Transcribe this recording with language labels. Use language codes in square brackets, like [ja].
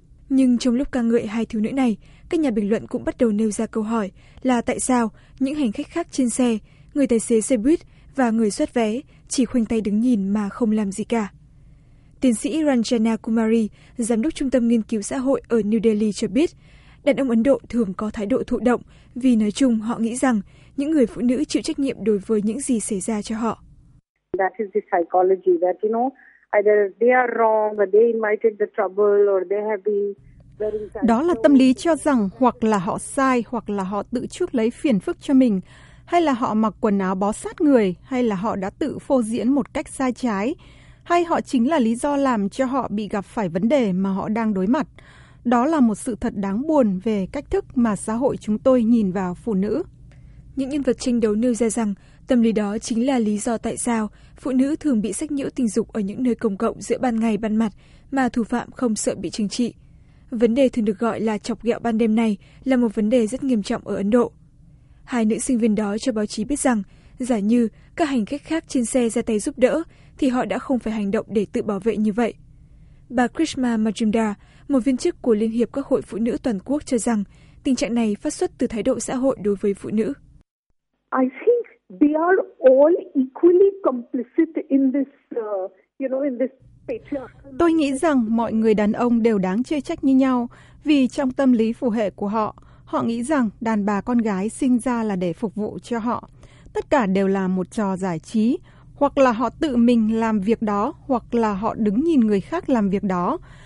[vi] Nhưng trong lúc ca ngợi hai thiếu nữ này, các nhà bình luận cũng bắt đầu nêu ra câu hỏi là tại sao những hành khách khác trên xe, người tài xế xe buýt và người soát vé chỉ khoanh tay đứng nhìn mà không làm gì cả. Tiến sĩ Ranjana Kumari, giám đốc Trung tâm Nghiên cứu Xã hội ở New Delhi cho biết, đàn ông Ấn Độ thường có thái độ thụ động vì nói chung họ nghĩ rằng những người phụ nữ chịu trách nhiệm đối với những gì xảy ra cho họ. [en] That is the psychology that, you know, either they are wrong or they invited the trouble or they have been... [vi] Đó là tâm lý cho rằng hoặc là họ sai, hoặc là họ tự chuốc lấy phiền phức cho mình, hay là họ mặc quần áo bó sát người, hay là họ đã tự phô diễn một cách sai trái, hay họ chính là lý do làm cho họ bị gặp phải vấn đề mà họ đang đối mặt. Đó là một sự thật đáng buồn về cách thức mà xã hội chúng tôi nhìn vào phụ nữ. Những nhân vật tranh đấu nêu ra rằng tâm lý đó chính là lý do tại sao phụ nữ thường bị sách nhiễu tình dục ở những nơi công cộng giữa ban ngày ban mặt mà thủ phạm không sợ bị trừng trị. Vấn đề thường được gọi là chọc ghẹo ban đêm này là một vấn đề rất nghiêm trọng ở Ấn Độ. Hai nữ sinh viên đó cho báo chí biết rằng, giả như các hành khách khác trên xe ra tay giúp đỡ, thì họ đã không phải hành động để tự bảo vệ như vậy. Bà Krishma Majumdar, một viên chức của Liên hiệp các hội phụ nữ toàn quốc cho rằng, tình trạng này phát xuất từ thái độ xã hội đối với phụ nữ. [en] I think they are all equally complicit in this, in this. [vi] Tôi nghĩ rằng mọi người đàn ông đều đáng chê trách như nhau, vì trong tâm lý phù hệ của họ, họ nghĩ rằng đàn bà con gái sinh ra là để phục vụ cho họ. Tất cả đều là một trò giải trí, hoặc là họ tự mình làm việc đó, hoặc là họ đứng nhìn người khác làm việc đó.